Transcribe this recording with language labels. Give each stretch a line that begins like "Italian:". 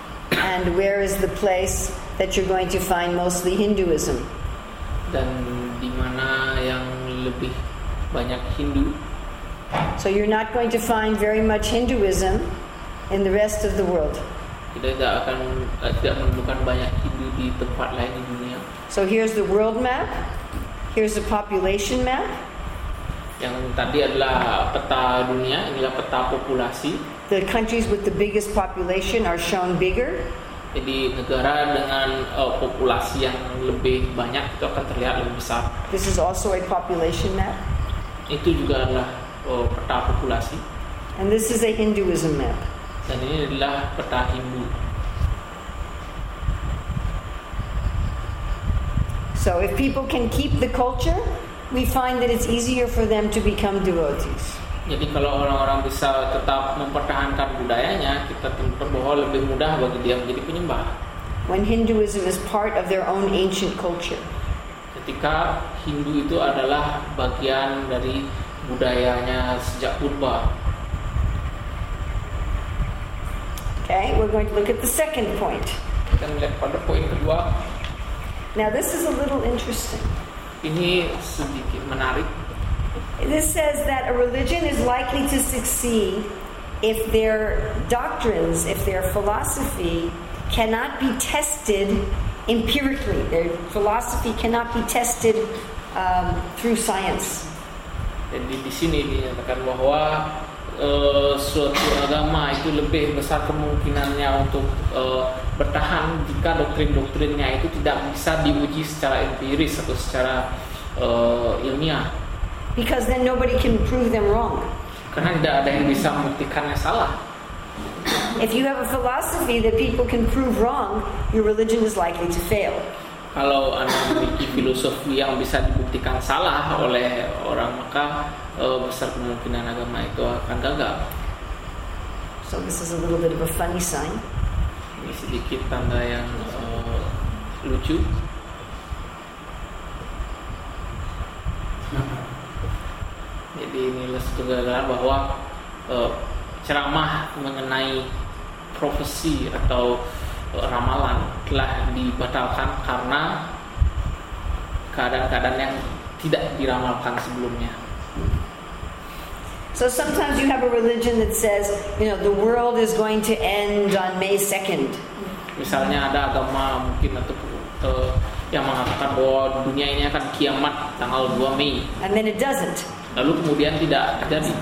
English: And where is the place that you're going to find mostly Hinduism?
Indonesian: Dan di mana yang lebih banyak Hindu?
English: So you're not going to find very much Hinduism in the rest of the world.
Indonesian: Kita tidak menemukan banyak Hindu di tempat lain di dunia.
English: So here's the world map. Here's the population map.
Indonesian: Yang tadi adalah peta dunia, inilah peta populasi.
English: The countries with the biggest population are shown bigger.
Indonesian: Jadi negara dengan populasi yang lebih banyak itu akan terlihat lebih besar.
English: This is also a population map.
Indonesian: Itu juga adalah peta populasi.
English: And this is a Hinduism map.
Indonesian: Dan ini adalah peta Hindu.
English: So if people can keep the culture, we find that it's easier for them to become devotees.
Indonesian: Jadi kalau orang-orang bisa tetap mempertahankan budayanya, kita tentu bahwa lebih mudah bagi dia menjadi penyembah.
English: When Hinduism is part of their own ancient culture.
Indonesian: Ketika Hindu itu adalah bagian dari budayanya sejak purba.
English: Okay, we're going to look at the second point.
Indonesian: Kita melihat pada poin kedua.
English: Now this is a little interesting.
Indonesian: Ini sedikit menarik.
English: This says that a religion is likely to succeed if their doctrines, if their philosophy cannot be tested empirically. Their philosophy cannot be tested through science.
Indonesian: Jadi di sini dinyatakan bahwa suatu agama itu lebih besar kemungkinannya untuk bertahan jika doktrin-doktrinnya itu tidak bisa diuji secara empiris atau secara ilmiah.
English: Because then nobody can prove them wrong.
Indonesian: Karena tidak ada yang bisa membuktikannya salah.
English: If you have a philosophy that people can prove wrong, your religion is likely to fail.
Indonesian: Kalau Anda memiliki filosofi yang bisa dibuktikan salah oleh orang, maka besar kemungkinan agama itu akan gagal.
English: So this is a little bit of a funny sign.
Indonesian: Ini sedikit tanda yang lucu. Jadi inilah satu gagalan bahwa ceramah mengenai profesi atau ramalan telah dibatalkan karena keadaan-keadaan yang tidak diramalkan sebelumnya.
English: So sometimes you have a religion that says, you know, the world is going to end on May 2nd.
Indonesian: Misalnya ada agama mungkin atau yang mengatakan bahwa dunia ini akan kiamat tanggal 2 Mei.
English: And then it doesn't.
Indonesian: Lalu kemudian tidak terjadi.